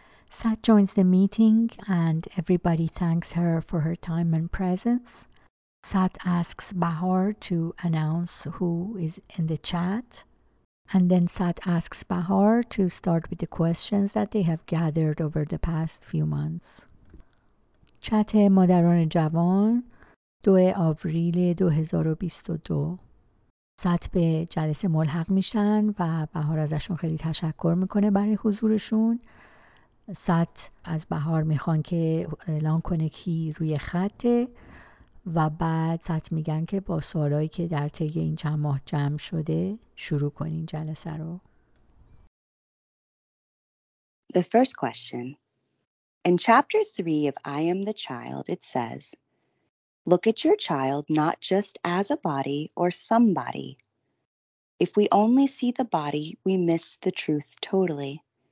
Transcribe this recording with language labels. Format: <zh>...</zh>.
<en>Sat joins the meeting and everybody thanks her for her time and presence. Sat asks Bahar to announce who is in the chat. And then Sat asks Bahar to start with the questions that they have gathered over the past few months.</en> <fa>چت مادران جوان 2 آوریل 2022 ساعت به جلسه ملحق میشن و بهار ازشون خیلی تشکر میکنه برای حضورشون. ساعت از بهار میخوان که اعلان کنه کی روی خطه و بعد ساعت میگن که با سوالایی که در طی این چند ماه جمع شده شروع کنین جلسه رو.</fa> <en>The first question. In chapter 3 of I Am the Child, it says, look at your child not just as a body or somebody. If we only see the body, we miss the truth totally.</en>